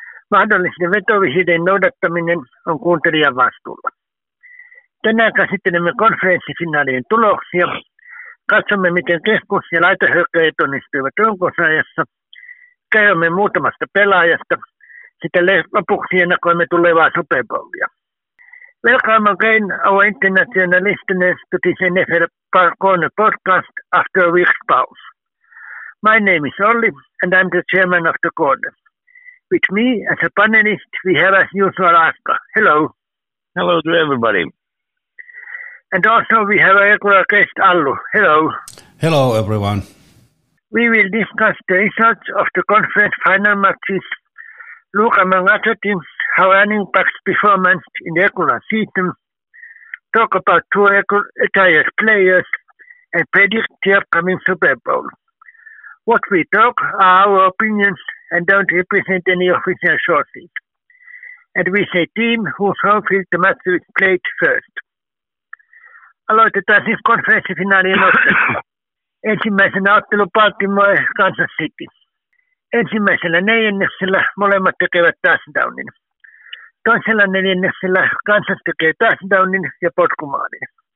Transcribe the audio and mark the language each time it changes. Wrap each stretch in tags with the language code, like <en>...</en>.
<fi>Mahdollisten vetovihdeiden noudattaminen on kuuntelijan vastuulla. Tänään käsittelemme konferenssifinaalien tuloksia. Katsomme, miten keskus- ja laitahyökkäjät onnistuivat runkosarjassa. Käymme muutamasta pelaajasta. Sitten lopuksi ennakoimme tulevaa Super Bowlia.</fi> <en>Welcome again our international listeners to this NFL Corner podcast after a week's pause. My name is Olli and I'm the chairman of the corner. With me as a panelist, we have as usual Aska. Hello. Hello to everybody. And also we have a regular guest, Allu. Hello. Hello, everyone. We will discuss the results of the conference final matches, look among other teams, how running backs performance in the regular season, talk about two retired players, and predict the upcoming Super Bowl. What we talk are our opinions and don't represent any official sources. And we say team whose home field the match is played first.</en> <fi>Aloitetaan siis konferenssifinaalien ottelusta. Ensimmäisenä ottelu Baltimore Kansas City. Ensimmäisellä neljänneksellä molemmat tekevät touchdownin. Toisella neljänneksellä Kansas tekee touchdownin ja potkumaalin.</fi>